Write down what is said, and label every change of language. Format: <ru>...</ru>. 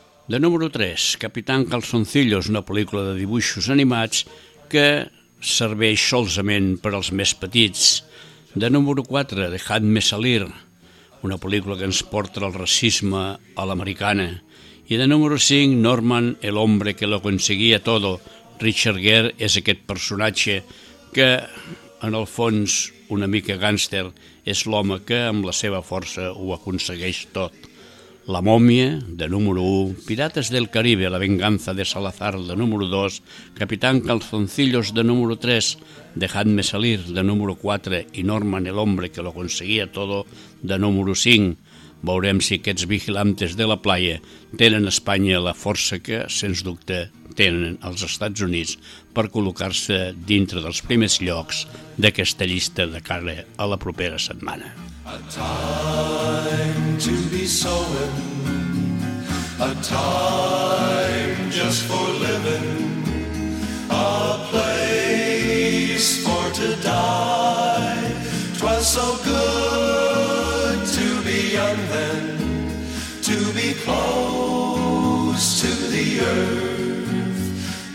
<ca>De número 3, Capitán Calzoncillo, és una pel·lícula de dibuixos animats que serveix solament per als més petits. De número 4, Dejadme salir, una pel·lícula que ens porta el racisme a l'americana. I de número 5, Norman, el hombre que lo conseguía todo. Richard Gere és aquest personatge que, en el fons, una mica gàngster, és l'home que amb la seva força ho aconsegueix tot. La mòmia, de número 1, Pirates del Caribe, la venganza de Salazar, de número 2, Capitán Calzoncillos, de número 3, Dejadme salir, de número 4, i Norman, el hombre que lo conseguía todo, de número 5. Veurem si aquests vigilantes de la playa tenen a Espanya la força que, sens dubte, tenen els Estats Units per col·locar-se dintre dels primers llocs d'aquesta llista de cara a la propera setmana.</ca> <en>A time to be sowing, a time just for living, a place for to die. 'Twas so good to be young then, to be close to the earth.</en>